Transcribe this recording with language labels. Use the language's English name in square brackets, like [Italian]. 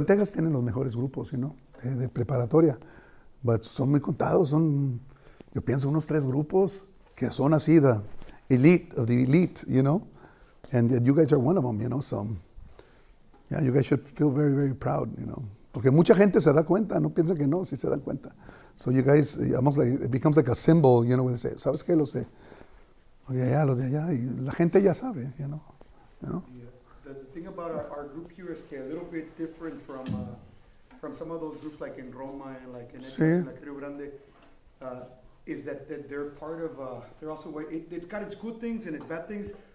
[Spanish] En Texas tienen los mejores grupos, you know, de preparatoria. But son muy contados, son, yo pienso, unos tres grupos. Que son así, [English] the elite of the elite, you know? And you guys are one of them, you know? So, yeah, you guys should feel very, very proud, you know? [Spanish] Porque mucha gente se da cuenta, no piensa que no, si se dan cuenta. [English] So you guys, almost like, it becomes like a symbol, you know, when they say, [Spanish] ¿sabes qué? Los de allá, los de allá. Y la gente ya sabe, you know? You know? [English] Yeah. The thing about our group here is que a little bit different from some of those groups like in Roma and like in Etios, like Rio Grande, is that they're part of, they're also, it's got its good things and its bad things.